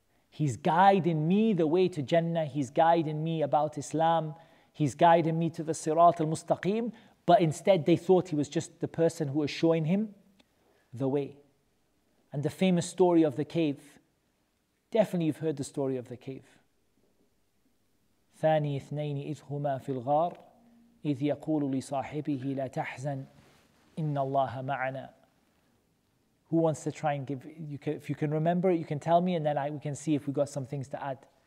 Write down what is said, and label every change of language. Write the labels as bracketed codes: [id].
[en] He's guiding me the way to Jannah. He's guiding me about Islam. He's guiding me to the Sirat al-Mustaqim. But instead they thought he was just the person who was showing him the way. And the famous story of the cave. Definitely you've heard the story of the cave. [ar] ثاني اثنين إذ هما في الغار إذ يقول لصاحبه لا تحزن إن الله معنا. [en] Who wants to try and give, you can, if you can remember it, you can tell me and then we can see if we got some things to add.